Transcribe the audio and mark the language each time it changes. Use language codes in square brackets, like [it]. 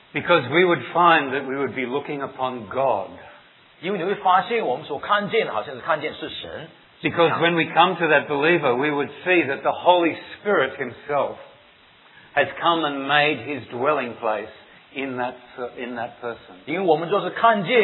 [en] Because we would find that we would be looking upon God. [zh] 因为你会发现我们所看见的，好像是看见是神。 [en] Because when we come to that believer, we would see that the Holy Spirit Himself has come and made His dwelling place in that person.